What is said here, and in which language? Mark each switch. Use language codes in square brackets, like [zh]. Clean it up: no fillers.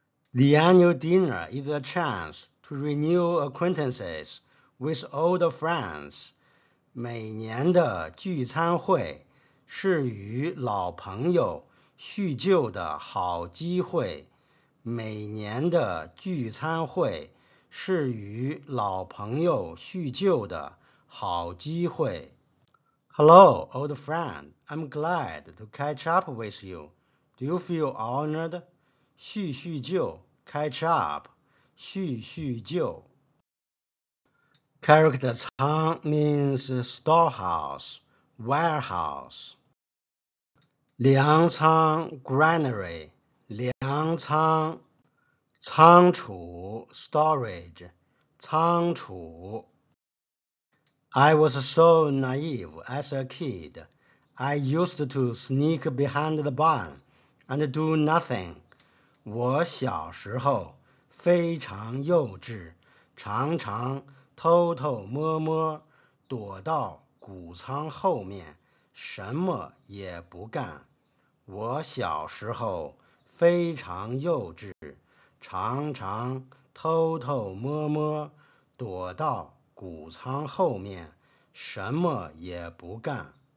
[en] The annual dinner is a chance to renew acquaintances with old friends。 [zh] 每年的聚餐会是与老朋友叙旧的好机会。每年的聚餐会是与老朋友叙旧的好机会。 [en] Hello, old friend. I'm glad to catch up with you. Do you feel honored? [zh] 叙叙旧 [en] ,catch up, 叙叙旧。 Character 仓 means storehouse, warehouse. [zh] 粮仓 granary, 粮仓。仓储 storage, 仓储。 [en] I was so naive as a kid. I used to sneak behind the barn and do nothing. [zh] 我小时候非常幼稚，常常偷偷摸摸躲到谷仓后面，什么也不干。我小时候非常幼稚，常常偷偷摸摸躲到谷仓后面，什么也不干。